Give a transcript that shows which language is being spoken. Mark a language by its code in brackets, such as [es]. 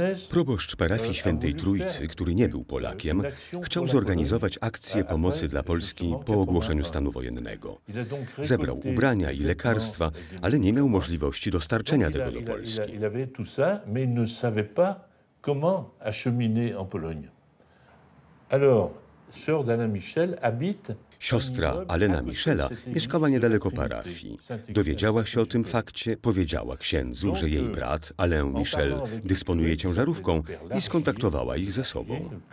[pl] Proboszcz parafii Świętej Trójcy, który nie był Polakiem, chciał zorganizować akcję pomocy dla Polski po ogłoszeniu stanu wojennego. Zebrał ubrania i lekarstwa, ale nie miał możliwości dostarczenia tego do Polski. [fr] Il avait tout ça, mais ne savait pas comment acheminer en Pologne. Alors, sœur d'Alain Michel habite. [pl] Siostra Alena Michela mieszkała niedaleko parafii. Dowiedziała się o tym fakcie, powiedziała księdzu, że jej brat, Alain Michel, dysponuje ciężarówką i skontaktowała ich ze sobą.